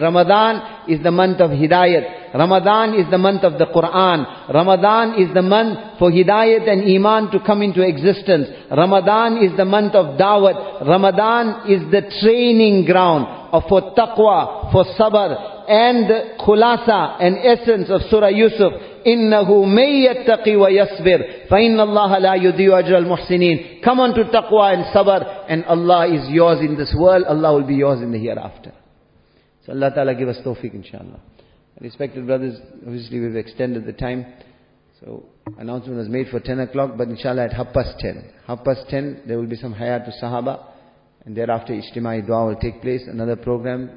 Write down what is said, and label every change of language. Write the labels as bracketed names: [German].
[English] Ramadan is the month of hidayat. Ramadan is the month of the Quran. Ramadan is the month for hidayat and iman to come into existence. Ramadan is the month of dawat. Ramadan is the training ground for taqwa, for sabr. And the khulasa and essence of Surah Yusuf, [Arabic] إِنَّهُ مَنْ يَتَّقِي وَيَصْبِرْ فَإِنَّ اللَّهَ لَا يُضِيُّ أَجْرَ الْمُحْسِنِينَ. [English] Come on to taqwa and sabr, and Allah is yours in this world, Allah will be yours in the hereafter. So Allah Ta'ala give us tawfiq inshaAllah. Respected brothers, obviously we've extended the time. So announcement was made for 10 o'clock, but inshaAllah at 10:30. 10:30, there will be some hayatu sahaba. And thereafter, Ijtimai Dua will take place. Another program.